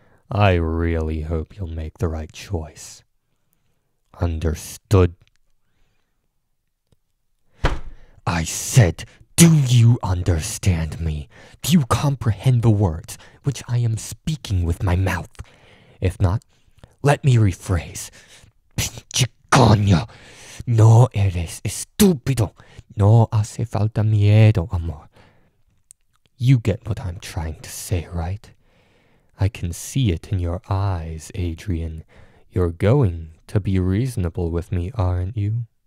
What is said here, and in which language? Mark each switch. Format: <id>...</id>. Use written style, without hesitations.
<en>I really hope you'll make the right choice. Understood?" "I said, do you understand me? Do you comprehend the words which I am speaking with my mouth? If not, let me rephrase.</en> <es>Pinche coño, no eres estúpido, no hace falta miedo, amor.</es> <en>You get what I'm trying to say, right? I can see it in your eyes, Adrian. You're going to be reasonable with me, aren't you?"</en>